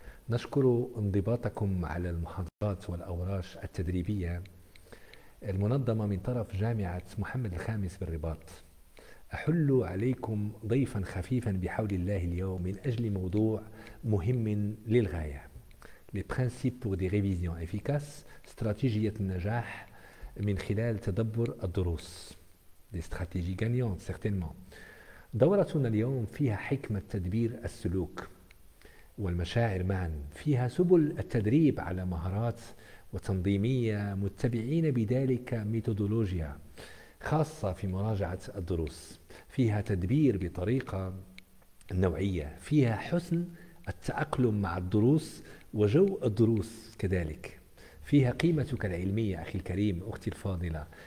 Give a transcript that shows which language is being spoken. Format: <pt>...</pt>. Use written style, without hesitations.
<ar>نشكر انضباطكم على المحاضرات والأوراش التدريبية المنظمة من طرف جامعة محمد الخامس بالرباط. أحل عليكم ضيفا خفيفا بحول الله اليوم من أجل موضوع مهم للغاية.</ar> <fr>Les principes pour des révisions efficaces,</fr> <ar>استراتيجية النجاح من خلال تدبر الدروس.</ar> <fr>Des stratégies gagnantes, certainement.</fr> <ar>دورتنا اليوم فيها حكمة تدبير السلوك والمشاعر معا، فيها سبل التدريب على مهارات وتنظيمية متبعين بذلك ميثودولوجيا خاصة في مراجعة الدروس، فيها تدبير بطريقة نوعية، فيها حسن التأقلم مع الدروس وجو الدروس كذلك، فيها قيمتك العلمية أخي الكريم أختي الفاضلة،</ar>